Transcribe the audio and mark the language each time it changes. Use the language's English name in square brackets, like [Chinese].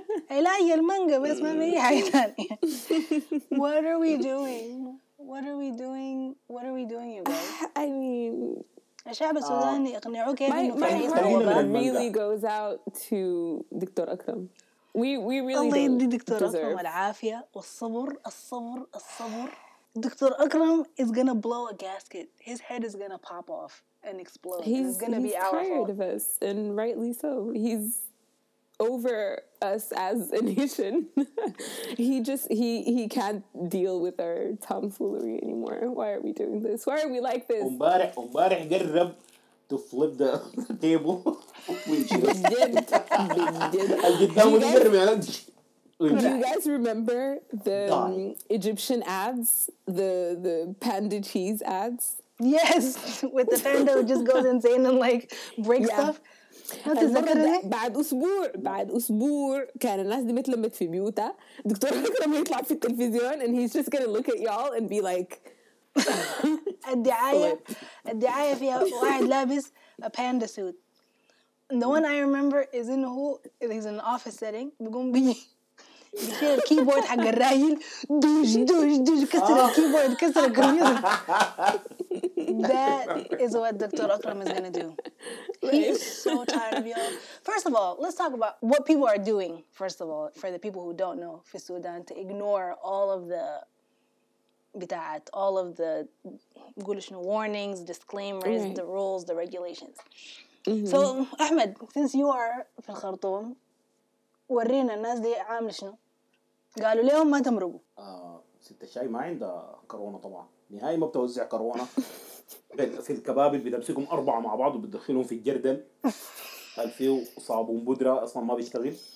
[Arabic] علاج المانجا بس ما بي حاجة تانية. [English] What are we doing? What are we doing? What are we doing, you guys? I mean, [Arabic] الشعب السوداني اقنعوك انه في حاجة. [English] My really goes out to doctor Akram. We really [Arabic] الله يدي دكتور أكرم العافية والصبر الصبر الصبر. [English] Doctor Akram is gonna blow a gasket. His head is gonna pop off and explode. He's gonna be our fault. Tired of us, and rightly so. He's over us as a nation. he can't deal with our tomfoolery anymore. Why are we doing this? Why are we like this? [Arabic] امبارح قرب [English] to flip the table. Do you guys remember the Egyptian ads, the panda cheese ads? Yes, with the panda who just goes insane and like breaks stuff. [Arabic] بعد أسبوع كان الناس دي متلمت في بيوتها. دكتور أكرم يطلع في التلفزيون [English] and he's just gonna look at y'all and be like. [Arabic] الدعاية فيها واحد لابس [English] a panda suit. The one I remember is in who is in an office setting. We're gonna be the keyboard [Arabic] حق الراجل دوش دوش دوش كسر الكيبورد كسر الكمبيوتر. [English] That is what Dr. Akram is gonna do. He's so tired of y'all. First of all, let's talk about what people are doing. First of all, for the people who don't know, [Arabic] في السودان, [English] to ignore all of the [Arabic] بتاعت [English] all of the warnings, disclaimers, right. the rules, the regulations. Mm-hmm. So, Ahmed, since you are [Arabic] في الخرطوم, ورينا الناس دي عامل شنو؟ قالوا ليهم ما تمرقوا؟ ستة شاي ما عنده كورونا طبعا. نهاية ما بتوزع كورونا. في الكباب اللي بتمسكهم أربعة مع بعض وبتدخلهم في الجردل. قال فيه صابون بودرة أصلا ما بيشتغل.